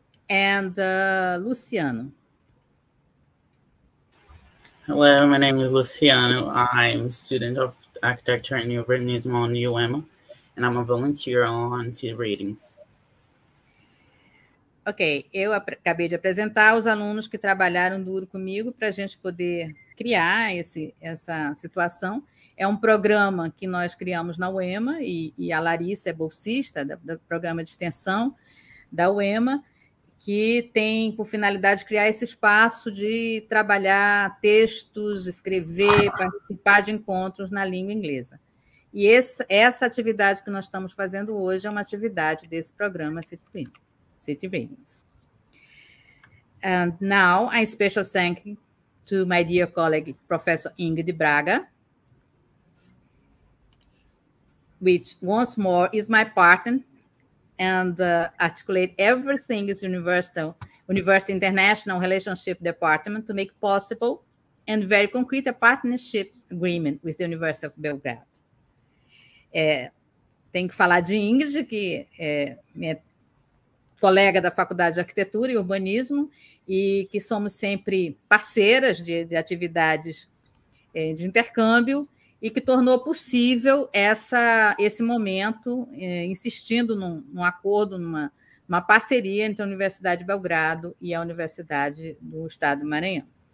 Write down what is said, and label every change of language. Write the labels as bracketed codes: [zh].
[en] And Luciano. Hello, my name is Luciano. I'm a student of architecture and urbanism on UEMA, and I'm a volunteer on City Readings. [pt] Ok, eu acabei de apresentar os alunos que trabalharam duro comigo para a gente poder criar essa situação. É um programa que nós criamos na UEMA, e a Larissa é bolsista do programa de extensão da UEMA, que tem por finalidade criar esse espaço de trabalhar textos, escrever, participar de encontros na língua inglesa. E essa atividade que nós estamos fazendo hoje é uma atividade desse programa City Readings. [en] And now, a special thank you to my dear colleague, Professor Ingrid Braga, which once more is my partner and articulate everything is University International Relationship Department to make possible and very concrete a partnership agreement with the University of Belgrade. [pt] Tem que falar de Ingrid, que é minha colega da Faculdade de Arquitetura e Urbanismo, e que somos sempre parceiras de atividades de intercâmbio, e que tornou possível esse momento, insistindo num acordo, numa parceria entre a Universidade de Belgrado e a Universidade do Estado do Maranhão.